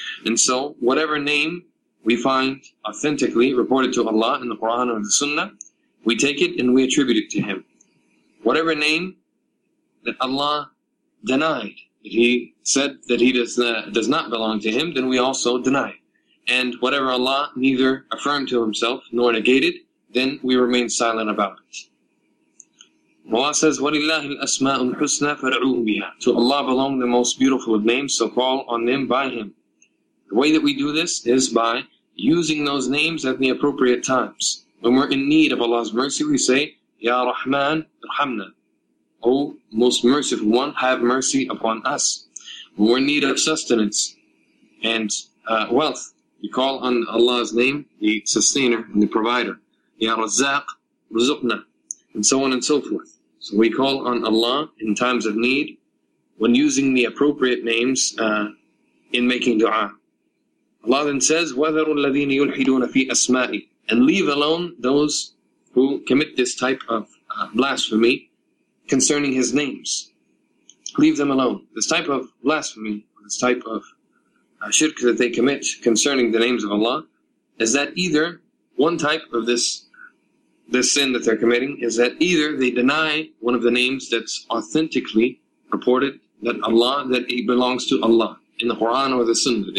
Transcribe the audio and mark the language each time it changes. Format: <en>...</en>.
<en>And so, whatever name we find authentically reported to Allah in the Quran or the Sunnah, we take it and we attribute it to Him. Whatever name that Allah denied, that He said that He does not belong to Him, then we also deny. And whatever Allah neither affirmed to Himself nor negated, then we remain silent about it.</en> <ar>Allah says, وَلِلَّهِ الْأَسْمَاءُ الْحُسْنَى فَرَعُوهُ بِهَا.</ar> <en>To Allah belong the most beautiful of names, so call on them by Him. The way that we do this is by using those names at the appropriate times. When we're in need of Allah's mercy, we say,</en> <ar>يَا رَحْمَنْ رَحَمْنَا.</ar> <en>O most merciful one, have mercy upon us. When we're in need of sustenance and wealth, we call on Allah's name, the sustainer and the provider.</en> <ar>يَا رَزَّاقْ رُزُقْنَا.</ar> <en>And so on and so forth. So we call on Allah in times of need when using the appropriate names in making dua.</en> <ar>Allah then says, وَذَرُوا الَّذِينَ يُلْحِدُونَ فِي أَسْمَائِي.</ar> <en>And leave alone those who commit this type of blasphemy concerning His names. Leave them alone. This type of blasphemy, this type of shirk that they commit concerning the names of Allah, is that either one type of this sin that they're committing is that either they deny one of the names that's authentically reported that Allah, that it belongs to Allah in the Quran or the Sunnah.</en>